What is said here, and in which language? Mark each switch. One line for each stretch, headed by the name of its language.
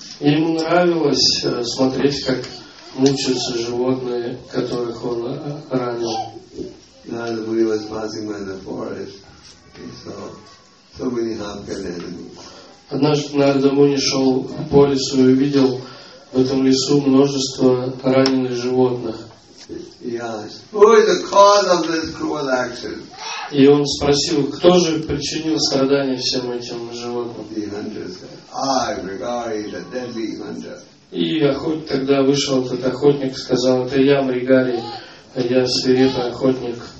Russian: Ему нравилось смотреть, как мучаются животные, которых он ранил.
English: Nārada Muni was passing by the forest. He saw so many half-killed animals.
Russian: Однажды Нарада Муни шел по лесу и увидел в этом лесу множество раненых животных.
English: Yes. Who is the cause of this cruel action?
Russian: И он спросил, кто же причинил страдания всем этим животным?
English: The hunter said, I regard it a deadly hunter.
Russian: И охотник тогда вышел, этот охотник сказал, это я, Мригари, я свирепый охотник.